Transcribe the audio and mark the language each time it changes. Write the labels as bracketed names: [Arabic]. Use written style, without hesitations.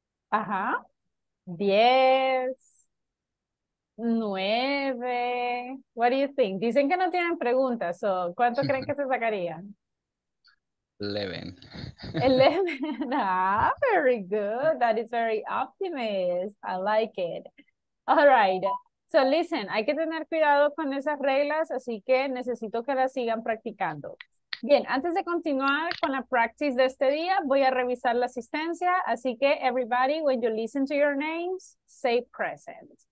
[English] Ajá, 10, 9, what do you think? [Spanish] Dicen que no tienen preguntas, [English] so, [Spanish] ¿cuánto creen que se sacarían? [English] 11. 11, ah, very good, that is very optimist, I like it. All right, so listen, [Spanish] hay que tener cuidado con esas reglas, así que necesito que las sigan practicando. Bien, antes de continuar con la practice de este día, voy a revisar la asistencia. Así que, [English] everybody, when you listen to your names, say present.